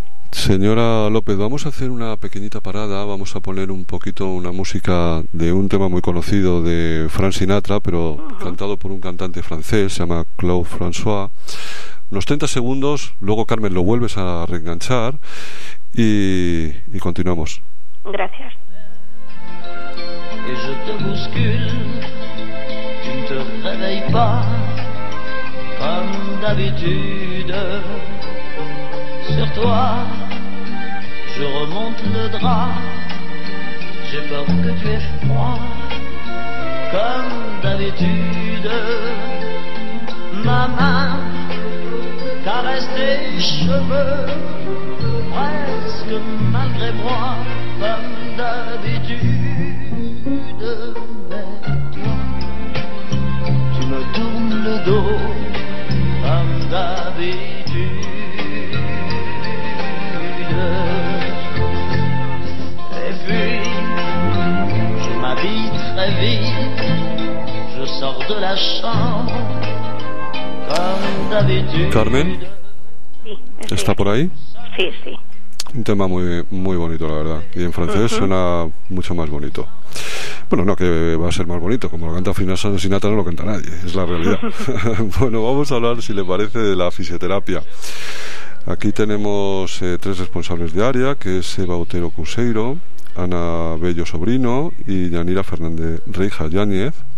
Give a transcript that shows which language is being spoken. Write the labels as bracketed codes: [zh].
[es] Señora López, vamos a hacer una pequeñita parada, vamos a poner un poquito una música de un tema muy conocido de Frank Sinatra, pero uh-huh. cantado por un cantante francés, se llama Claude François. Unos 30 segundos, luego Carmen lo vuelves a reenganchar y continuamos. Gracias. [fr] Et je te bouscule, tu ne te réveilles pas, comme d'habitude. Sur toi, je remonte le drap, j'ai peur que tu aies froid, comme d'habitude. Ma main caresse tes cheveux, presque malgré moi, comme d'habitude. Mais toi, tu me tournes le dos, comme d'habitude. Et puis, je m'habille très vite, je sors de la chambre, comme d'habitude. [es] Carmen, ¿está por ahí? Sí, sí. Un tema muy, muy bonito, la verdad. Y en francés suena mucho más bonito. Bueno, no, que va a ser más bonito. Como lo canta Frances Sinatra, no lo canta nadie. Es la realidad. Bueno, vamos a hablar, si le parece, de la fisioterapia. Aquí tenemos tres responsables de área, que es Eva Otero Cuseiro, Ana Bello Sobrino y Yanira Fernández Reija Yáñez.